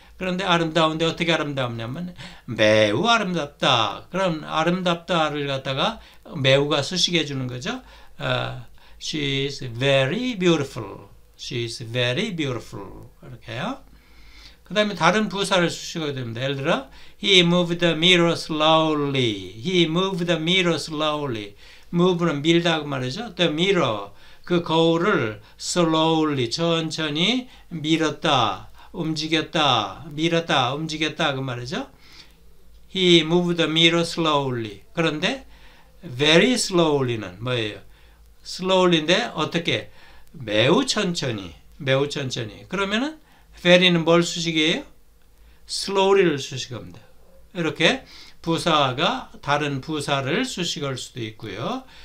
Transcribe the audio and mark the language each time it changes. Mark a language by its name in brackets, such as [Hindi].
[Korean] 그런데 아름다운데 어떻게 아름다우냐면 매우 아름답다. 그럼 아름답다를 갖다가 매우가 수식해 주는 거죠. [English] She is very beautiful. She is very beautiful. [Korean] 이렇게요. 그 다음에 다른 부사를 수식해야 됩니다. 예를 들어 [English] He moved the mirror slowly. He moved the mirror slowly. [Korean] Move는 밀다고 말이죠. [English] The mirror. [Korean] 그 거울을 slowly 천천히 밀었다. 움직였다, 밀었다, 움직였다 그 말이죠. [English] He moved the mirror slowly. [Korean] 그런데 very slowly는 뭐예요? slowly인데 어떻게? 매우 천천히, 매우 천천히. 그러면은 very는 뭘 수식이에요? slowly를 수식합니다. 이렇게 부사가 다른 부사를 수식할 수도 있고요.